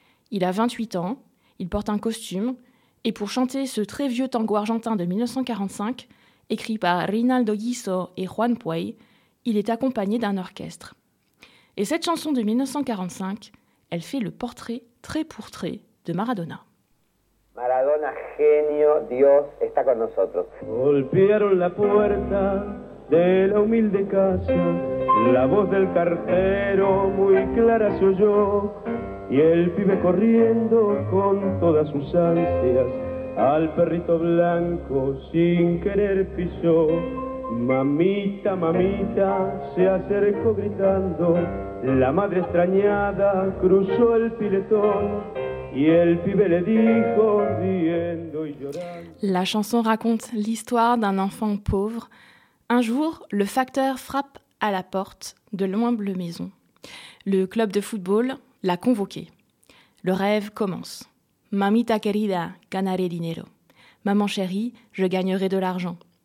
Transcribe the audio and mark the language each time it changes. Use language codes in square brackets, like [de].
[fr] Il a 28 ans, il porte un costume, et pour chanter ce très vieux tango argentin de 1945, écrit par Rinaldo Guiso et Juan Puey, il est accompagné d'un orchestre. Et cette chanson de 1945, elle fait le portrait, trait pour trait, de Maradona. [es] Maradona, genio, Dios, está con nosotros. Golpearon la puerta de la humilde casa, la voz del cartero muy clara se oyó, y el pibe corriendo con todas sus ansias, al perrito blanco sin querer pisó. Mamita, mamita, se acercó gritando, la madre extrañada cruzó el piletón. Y el pibe le dijo, riendo y llorando. [fr] La chanson raconte l'histoire d'un enfant pauvre. Un jour, le facteur frappe à la porte de l'humble maison. Le club de football l'a convoqué. Le rêve commence. [es] Mamita querida, ganaré dinero. [fr] Maman chérie, je gagnerai de l'argent.